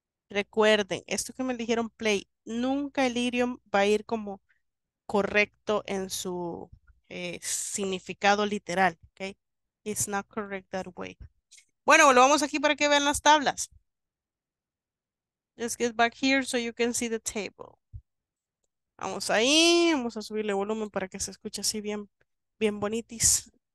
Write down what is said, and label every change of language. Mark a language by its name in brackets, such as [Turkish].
[Spanish] Recuerden, esto que me dijeron play, nunca el idiom va a ir como correcto en su significado literal. Okay? [English] It's not correct that way. [Spanish] Bueno, lo vamos aquí para que vean las tablas. [English] Let's get back here so you can see the table. [Spanish] Vamos ahí, vamos a subirle volumen para que se escuche así bien, bien bonitis.